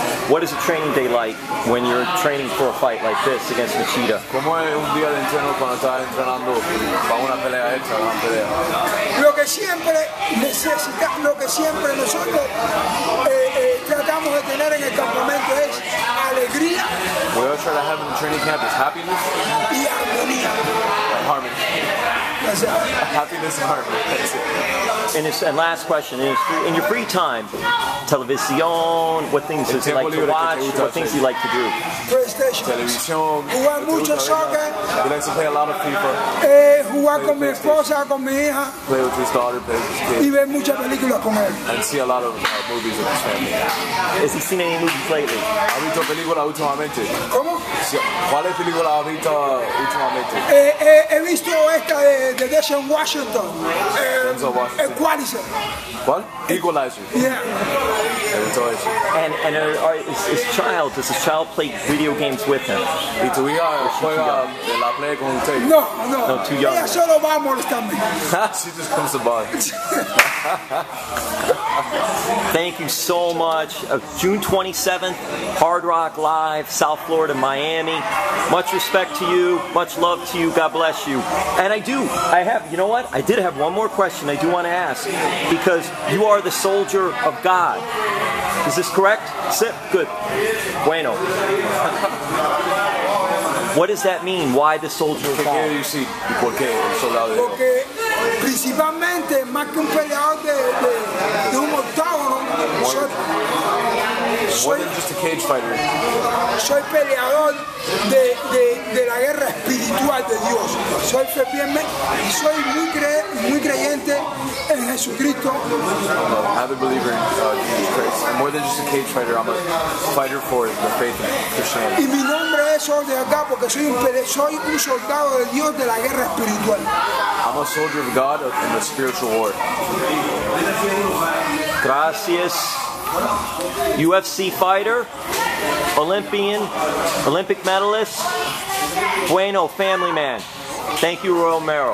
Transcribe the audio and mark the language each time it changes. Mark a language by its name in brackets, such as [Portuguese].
[English] What is a training day like when you're training for a fight like this against Machida? [Spanish] ¿Cómo es un día de entreno cuando estás entrenando para una pelea extra, una pelea? Lo que siempre necesitamos, lo que siempre nosotros tratamos de tener en el campamento es alegría. [English] What we always try to have in the training camp is happiness [Spanish] y armonía. [English] And harmony. Happiness and harmony. That's it. And last question is, in your free time, television, what things is like to watch, what things you like to do? [Spanish] Television. Jugar mucho soccer. [English] He likes to play a lot of FIFA. [Spanish] Jugar con mi esposa, con mi hija. [English] Play with his daughter, play with his kid. [Spanish] Y ver muchas películas con él. [English] And see a lot of movies with his family. Has he seen any movies lately? [Spanish] ¿Ha visto películas últimamente? ¿Cómo? ¿Cuál es película ha visto últimamente? He visto esta de Denzel Washington. Equalizer. [English] What? Equalizer. Yeah. And his child, does his child play video games with him? [Spanish] ¿Y tu hija juega en la play con usted? No, no. [English] No, too young. [Spanish] Ella solo va a molestarme. [English] She just comes to buy. Thank you so much. June 27th, Hard Rock Live, South Florida, Miami. Much respect to you. Much love to you. God bless you. And I did have one more question I do want to ask, because you are the soldier of God. Is this correct? Sip. Good. Bueno. What does that mean? Why the soldier of God? You see, [Spanish] porque el soldado de Dios. Porque principalmente más que un peleador de un octágono, [English] more than just a cage fighter. [Spanish] Soy peleador de la guerra espiritual de Dios. Soy fervientemente, soy muy creyente en Jesucristo. [English] I'm a believer in Jesus Christ. I'm more than just a cage fighter. I'm a fighter for the faith of Christianity. [Spanish] Y mi nombre es soldado de acá porque soy un soldado de Dios de la guerra espiritual. [English] I'm a soldier of God in the spiritual war. [Spanish] Gracias. [English] UFC fighter, Olympian, Olympic medalist, bueno, family man. Thank you, Yoel Romero.